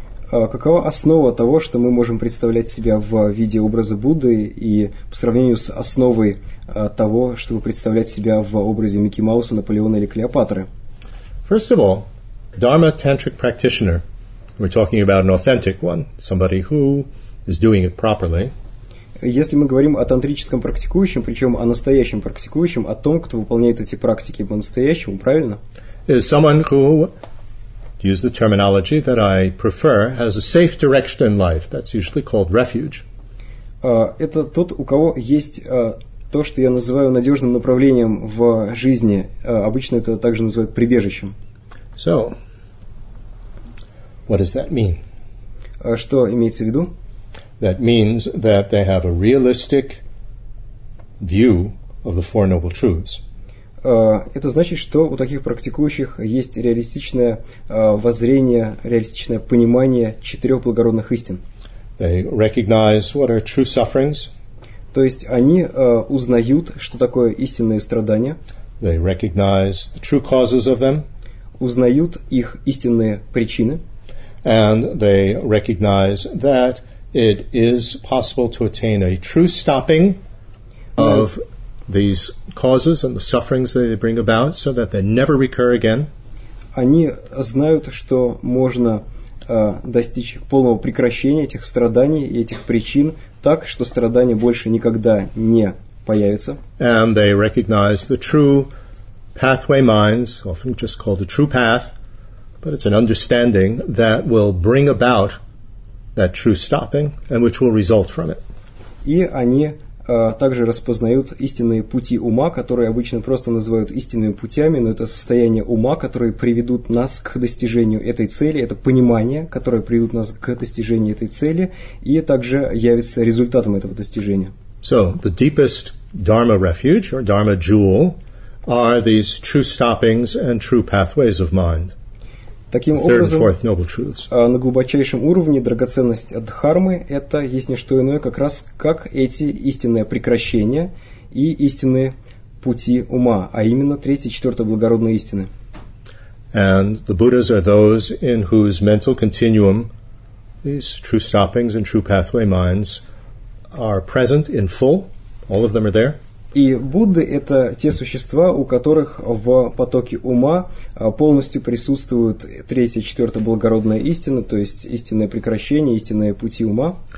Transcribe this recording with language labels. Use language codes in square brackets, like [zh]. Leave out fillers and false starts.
[ru] Какова основа того, что мы можем представлять себя в виде образа Будды и по сравнению с основой того, чтобы представлять себя в образе Микки Мауса, Наполеона или Клеопатры? [en] First of all, Dharma tantric practitioner, we're talking about an authentic one, somebody who is doing it properly. [ru] Если мы говорим о тантрическом практикующем, причем о настоящем практикующем, о том, кто выполняет эти практики по-настоящему, правильно? [en] Is someone who, to use the terminology that I prefer, has a safe direction in life. That's usually called refuge. [ru] Это тот, у кого есть то, что я называю надежным направлением в жизни. Обычно это также называют прибежищем. [en] So, what does that mean? [ru] Что имеется в виду? [en] That means that they have a realistic view of the Four Noble Truths. [ru] Это значит, что у таких практикующих есть реалистичное воззрение, реалистичное понимание четырех благородных истин. [en] They recognize what are true sufferings. [ru] То есть они узнают, что такое истинные страдания. [en] They recognize the true causes of them. [ru] Узнают их истинные причины. [en] And they recognize that it is possible to attain a true stopping of these causes and the sufferings that they bring about so that they never recur again. [ru] Они знают, что можно достичь полного прекращения этих страданий и этих причин так, что страдания больше никогда не появятся. [en] And they recognize the true pathway minds, often just called the true path, but it's an understanding that will bring about that true stopping and which will result from it. [ru] И они также распознают истинные пути ума, которые обычно просто называют истинными путями, но это состояние ума, которые приведут нас к достижению этой цели, это понимание, которое приведет нас к достижению этой цели, и также явится результатом этого достижения. [en] So, the deepest dharma refuge, or dharma jewel, are these true stoppings and true pathways of mind. [ru] Таким образом, на глубочайшем уровне драгоценность дхармы – это есть не что иное, как раз как эти истинные прекращения и истинные пути ума, а именно третья и четвертая благородные истины. [en] And the Buddhas are those in whose mental continuum these true stoppings and true pathway minds are present in full. All of them are there. [ru] И Будды – это те существа, у которых в потоке ума полностью присутствуют третья и четвертая благородная истина, то есть истинное прекращение, истинные пути ума.